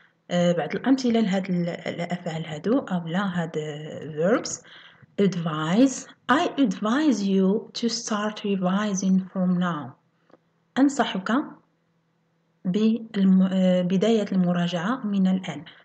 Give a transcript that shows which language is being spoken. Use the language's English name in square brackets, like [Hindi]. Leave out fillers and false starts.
[Arabic] بعد الأمثلة لهاد الأفعال هادو أو لا هاد verbs. [English] advise I advise you to start revising from now. [Arabic] أنصحك بداية المراجعة من الآن.